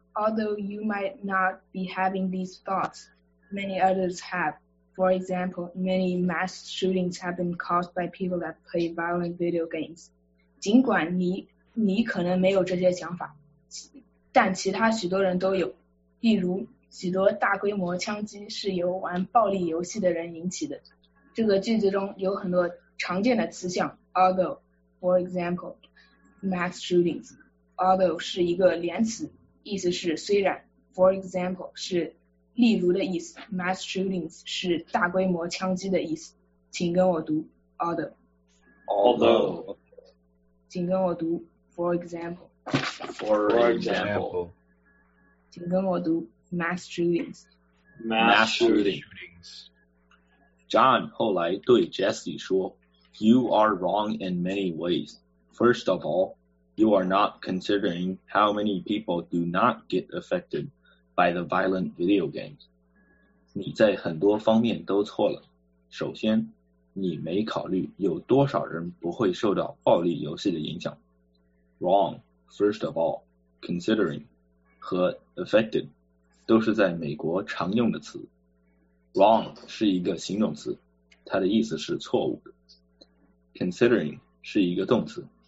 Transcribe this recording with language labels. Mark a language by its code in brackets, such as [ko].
[en] Although you might not be having these thoughts, many others have. For example, many mass shootings have been caused by people that play violent video games. [zh] 尽管你可能没有这些想法，但其他许多人都有。例如，许多大规模枪击是由玩暴力游戏的人引起的。这个句子中有很多常见的词项 [en] although, for example, mass shootings. [zh] Although 是一个连词。意思是虽然 ， [en] for example [zh] 是例如的意思 ， [en] mass shootings [zh] 是大规模枪击的意思。请跟我读 ，although。 [en] although。 [zh] 请跟我读 ， [en] for example。 for example。 [zh] 请跟我读 ， [en] mass shootings。 mass shootings。 John [zh] 后来对 [en] Jesse [zh] 说 [en] ，You are wrong in many ways. First of all。 You are not considering how many people do not get affected by the violent video games. [zh] 你在很多方面都错了。首先，你没考虑有多少人不会受到暴力游戏的影响。 [en] Wrong, first of all, considering [zh] 和 affected 都是在美国常用的词。 Wrong 是一个形容词，它的意思是错误的。Considering 是一个动词，